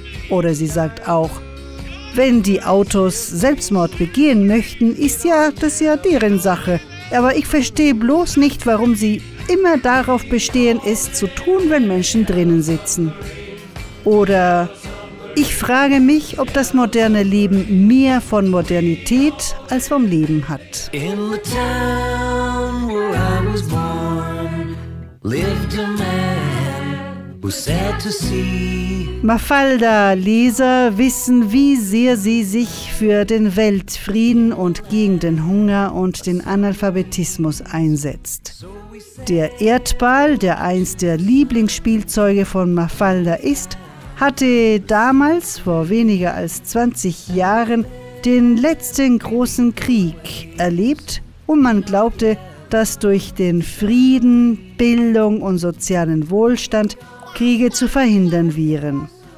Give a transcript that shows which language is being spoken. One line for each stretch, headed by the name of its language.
German: Oder sie sagt auch, wenn die Autos Selbstmord begehen möchten, ist ja das ja deren Sache. Aber ich verstehe bloß nicht, warum sie immer darauf bestehen, es zu tun, wenn Menschen drinnen sitzen. Oder ich frage mich, ob das moderne Leben mehr von Modernität als vom Leben hat.
English: In the town where I was born, lived a man who said to see.
German: Mafalda-Leser wissen, wie sehr sie sich für den Weltfrieden und gegen den Hunger und den Analphabetismus einsetzt. Der Erdball, der eins der Lieblingsspielzeuge von Mafalda ist, hatte damals, vor weniger als 20 Jahren, den letzten großen Krieg erlebt und man glaubte, dass durch den Frieden, Bildung und sozialen Wohlstand Kriege zu verhindern wären.